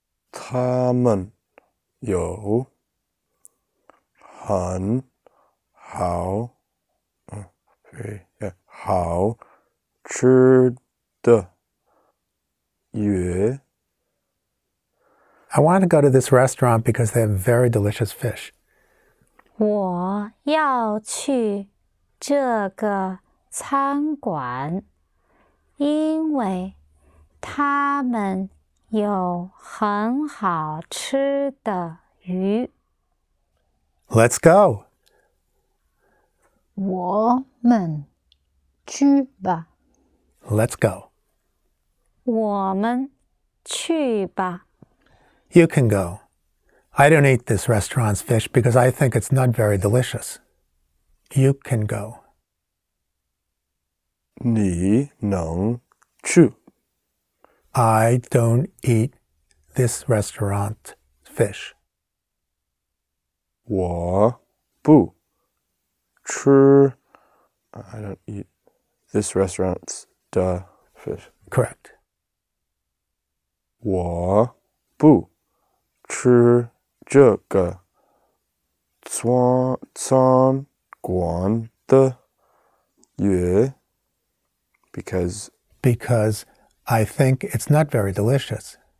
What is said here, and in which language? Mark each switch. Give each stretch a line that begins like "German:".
Chinese: 他们有很好好吃的鱼
English: I want to go to this restaurant because they have very delicious fish.
Chinese: 我要去这个餐馆因为他们有很好吃的鱼
English: Let's go.
Chinese: 我们去吧。
English: Let's go.
Chinese: 我们去吧。
English: You can go. I don't eat this restaurant's fish because I think it's not very delicious. You can go.
Chinese: 你能去。
English: I don't eat this restaurant's fish.
Chinese: 我不吃
English: I don't eat this restaurant's the fish. Correct.
Chinese: 我不吃这个餐馆的鱼
English: Because I think it's not very delicious.